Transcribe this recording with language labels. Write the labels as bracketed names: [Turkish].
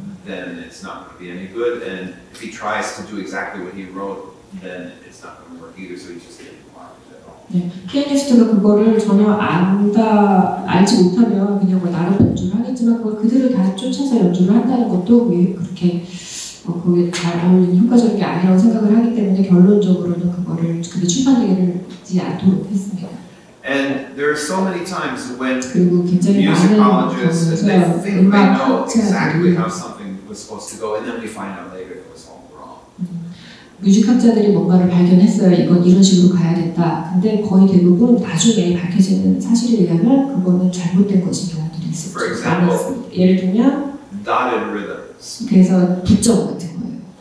[English] then it's not going to be any good. And if he tries to do exactly what he wrote, then it's not going to work either. So he just didn't want it at all. [Korean] 네, 피아니스트가 그거를 전혀 안다 알지 못하면 그냥 뭐 나름 연주를 하겠지만 그걸 그대로 다 쫓아서 연주를 한다는 것도 왜 그렇게 뭐 그게 잘 어울리는 효과적인 게 아니라고 생각을 하기 때문에 결론적으로는 그거를 근데 출판되기를 하지 않도록 했습니다. [English] And there are so many times when musicologists they think they know exactly how something was supposed to go, and then we find out later it was all wrong. [Korean] 뮤직학자들이 뭔가를 발견했어요. 이건 이런 식으로 가야 됐다. 근데 거의 대부분 나중에 밝혀지는 사실에 의하면 그거는 잘못된 것인 경우들이 있어요. [English] For example, [Korean] 예를 들면 [English] dotted rhythms. [Korean] 그래서 부정 같은 거예요.